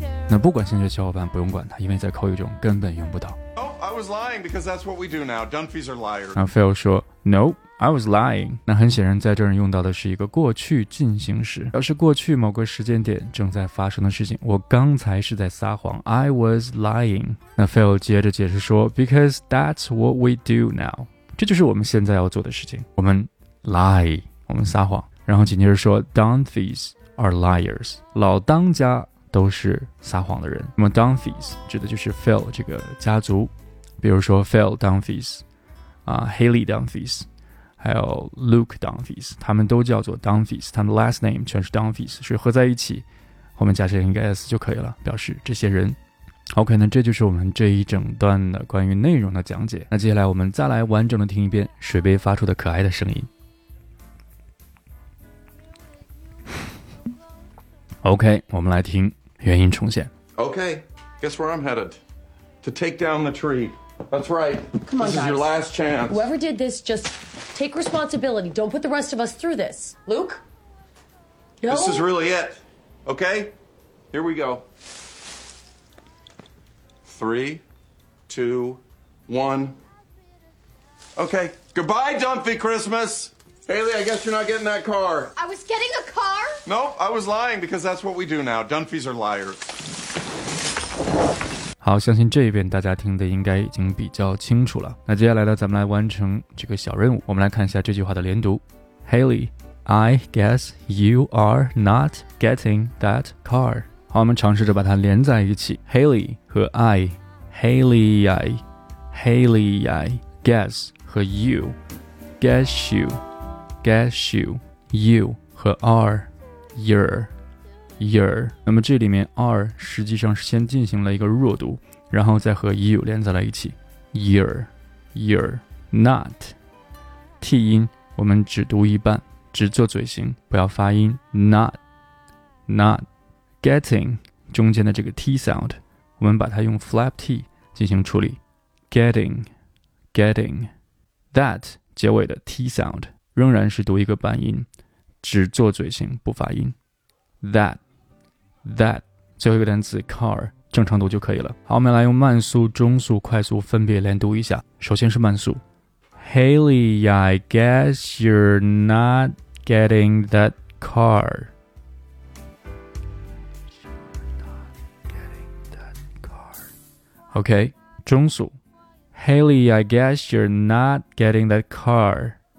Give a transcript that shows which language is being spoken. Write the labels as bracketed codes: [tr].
[zh] 那不管兴趣的小伙伴不用管他，因为在口语中根本用不到。 [en] I was lying because that's what we do now. Dunphys are liars. [zh] 那 Phil 说 ， [en] No, I was lying. [zh] 那很显然，在这儿用到的是一个过去进行时，表示过去某个时间点正在发生的事情。我刚才是在撒谎 ， [en] I was lying. [zh] 那 Phil 接着解释说 ， [en] Because that's what we do now. [zh] 这就是我们现在要做的事情。我们 lie， 我们撒谎。然后紧接着说 ， [en] Dunphys are liars. [zh] 老当家。都是撒谎的人。那么 Dunphys 指的就是 Phil 这个家族，比如说 Phil Dunphys、Haley Dunphys 还有 Luke Dunphys， 他们都叫做 Dunphys， 他们的 last name 全是 Dunphys， 所以合在一起后面加上一个 S 就可以了，表示这些人。 OK， 那这就是我们这一整段的关于内容的讲解。那接下来我们再来完整的听一遍水杯发出的可爱的声音。 OK， 我们来听原音重现。 [en] OK， guess where I'm headed? To take down the tree. That's right. Come on, this is your last chance. Whoever did this, just take responsibility. Don't put the rest of us through this. Luke? No? This is really it. OK? Here we go. 3, 2, 1. OK, goodbye, Dumpy Christmas! Haley, I guess you're not getting that car. I was getting a car? Nope, I was lying because that's what we do now. Dunphys are liars. [zh] 好，相信这一遍大家听的应该已经比较清楚了。那接下来呢，咱们来完成这个小任务。我们来看一下这句话的连读。 [en] Haley, I guess you are not getting that car. [zh] 好，我们尝试着把它连在一起。 [en] Haley 和 I, Haley, I, Haley, I, guess 和 you, guess you. Guess you, you 和 are, you're, you're. [zh] 那么这里面 are 实际上是先进行了一个弱读，然后再和 you 连在了一起。 [en] You're, you're, not. [zh] T 音我们只读一半，只做嘴型，不要发音。 [en] Not, not. [zh] Getting 中间的这个 T sound， 我们把它用 flap T 进行处理。 [en] Getting, getting. That [zh] 结尾的 [en] T sound。 [zh] 仍然是读一个半音，只做嘴型不发音。 That, that 最后一个单词 car 正常读就可以了。好，我们来用慢速、中速、快速分别连读一下。首先是慢速 [en] ，Haley, I guess you're not getting that car. You're not getting that car. OK, [zh] 中速 [en] ，Haley, I guess you're not getting that car.